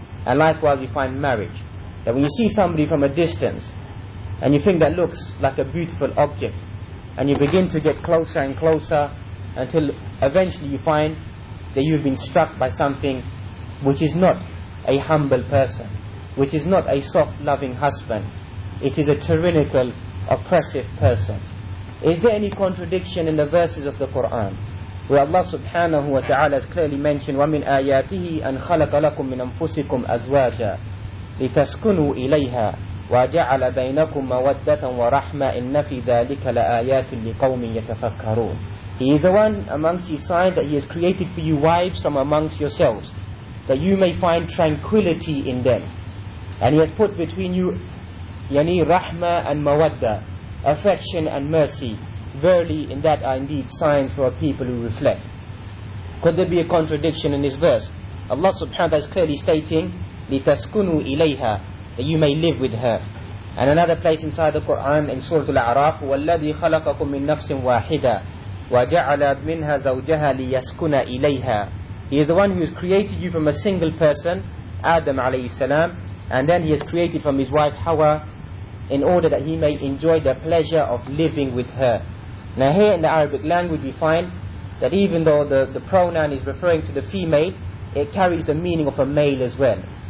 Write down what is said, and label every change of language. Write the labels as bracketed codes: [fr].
[en] And likewise, you find marriage. That when you see somebody from a distance, and you think that looks like a beautiful object, and you begin to get closer and closer, until eventually you find that you've been struck by something which is not a humble person, which is not a soft, loving husband. It is a tyrannical, oppressive person. Is there any contradiction in the verses of the Quran, where Allah subhanahu wa ta'ala has clearly mentioned, [ar] وَمِنْ آيَاتِهِ أَنْ خَلَقَ لَكُمْ مِنْ أَنفُسِكُمْ أَزْوَاجًا لِتَسْكُنُوا إِلَيْهَا وَجَعَلَ بَيْنَكُمْ مَوَدَّةً وَرَحْمَةً إِنَّ فِي ذَلِكَ لَآيَاتٍ لِقَوْمٍ يَتَفَكَّرُونَ. [en] He is the one amongst his signs that he has created for you wives from amongst yourselves, that you may find tranquility in them. And he has put between you yani rahma and mawadda, affection and mercy. Verily, in that are indeed signs for a people who reflect. Could there be a contradiction in this verse? Allah subhanahu wa ta'ala is clearly stating, [ar] لِتَسْكُنُوا إِلَيْهَا, [en] that you may live with her. And another place inside the Quran, in Surah Al-A'raf, [ar] وَالَّذِي خَلَقَكُم مِّن نَفْسٍ وَاحِدًا وَجَعَلَ مِنْهَا زَوْجَهَا لِيَسْكُنَ إِلَيْهَا. [en] He is the one who has created you from a single person, Adam alayhi salam, and then he has created from his wife Hawa, in order that he may enjoy the pleasure of living with her. Now here in the Arabic language we find that even though the pronoun is referring to the female, it carries the meaning of a male as well.